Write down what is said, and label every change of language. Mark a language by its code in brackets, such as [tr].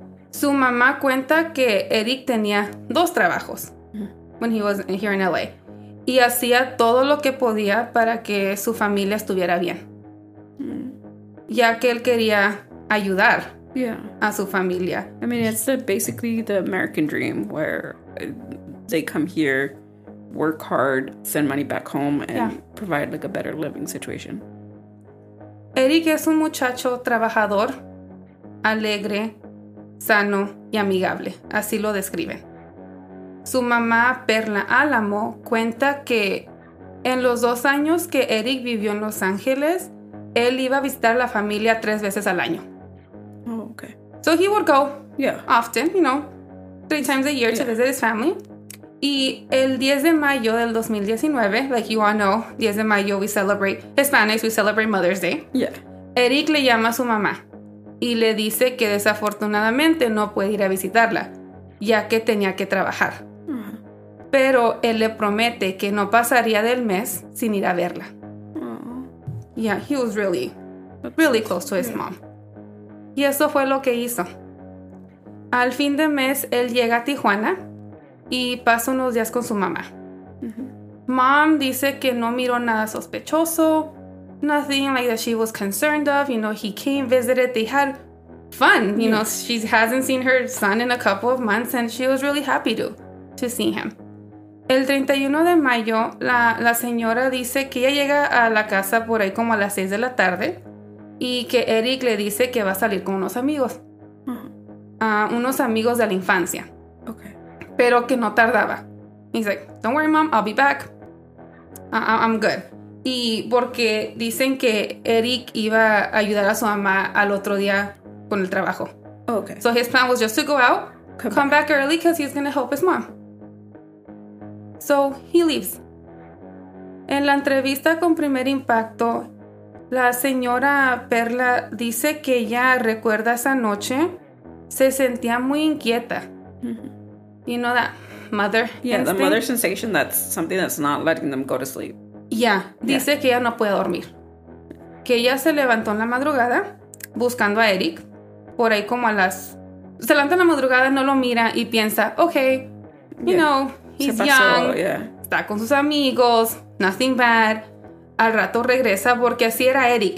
[es] Su mamá cuenta que Erick tenía dos trabajos [en] when he was here in LA. [es] Y hacía todo lo que podía para que su familia estuviera bien. Ya que él quería ayudar a su familia. [en] I mean, it's the, basically the American dream where they come here, work hard, send money back home, and provide like a better living situation. [es] Erick es un muchacho trabajador, alegre, sano y amigable. Así lo describen. Su mamá, Perla Alamo, cuenta que en los dos años que Erick vivió en Los Ángeles, él iba a visitar a la familia tres veces al año. [en] Oh, okay. So he would go often, you know, three times a year to visit his family. [es] Y el 10 de mayo del 2019, [en] like you all know, [es] 10 de mayo [en] we celebrate, Hispanics, we celebrate Mother's Day. Yeah. [es] Erick le llama a su mamá y le dice que desafortunadamente no puede ir a visitarla, ya que tenía que trabajar. Pero él le promete que no pasaría del mes sin ir a verla. Aww. [en] Yeah, he was really, really close to his mom. [es] Y eso fue lo que hizo. Al fin de mes, él llega a Tijuana y pasa unos días con su mamá. [en] Mom [es] dice que no miró nada sospechoso. [en] Nothing like that she was concerned of. You know, he came, visited, they had fun. You know, she hasn't seen her son in a couple of months and she was really happy to see him. [es] El 31 de mayo, la señora dice que ella llega a la casa por ahí como a las 6 de la tarde y que Erick le dice que va a salir con unos amigos. Unos amigos de la infancia. [en] Okay. [es] Pero que no tardaba. [en] He's like, don't worry, mom, I'll be back. I'm good. [es] Y porque dicen que Erick iba a ayudar a su mamá al otro día con el trabajo. [en] Okay. So his plan was just to go out, come back early because he's going to help his mom. So he leaves. [es] En la entrevista con Primer Impacto, la señora Perla dice que ella recuerda esa noche, se sentía muy inquieta. [en] You know that mother instinct? The mother sensation, that's something that's not letting them go to sleep. [es] Yeah. Dice que ella no puede dormir. Que ella se levantó en la madrugada buscando a Erick. Por ahí como a las... Se levanta en la madrugada, no lo mira y piensa, okay, [en] you know, he's young. Yeah. [es] Está con sus amigos, [en] nothing bad. [es] Al rato regresa porque así era Erick.